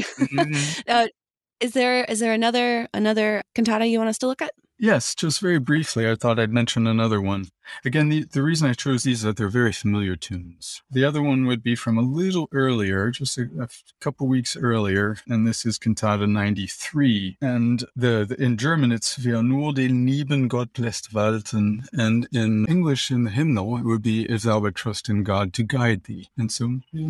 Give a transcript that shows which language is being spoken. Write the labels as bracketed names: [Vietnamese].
[English] Mm-hmm. is there another cantata you want us to look at? Yes, just very briefly, I thought I'd mention another one. Again, the reason I chose these is that they're very familiar tunes. The other one would be from a little earlier, just a couple weeks earlier, and this is Cantata 93. And in German, it's [German] Wer nur den lieben Gott lässt walten. [English] And in English, in the hymnal, it would be If thou but trust in God to guide thee. And so...